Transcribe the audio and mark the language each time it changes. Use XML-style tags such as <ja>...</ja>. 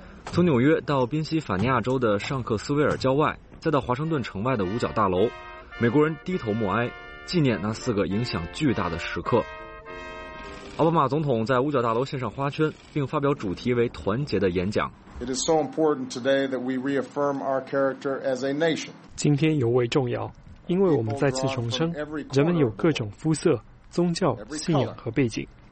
<zh>从纽约到宾夕法尼亚州的尚克斯威尔郊外，再到华盛顿城外的五角大楼，美国人低头默哀，纪念那四个影响巨大的时刻。奥巴马总统在五角大楼献上花圈，并发表主题为团结的演讲。</zh> <en>It is so important today that we reaffirm our character as a nation.</en> <zh>今天尤为重要，因为我们再次重申，人们有各种肤色、宗教、信仰和背景。</zh>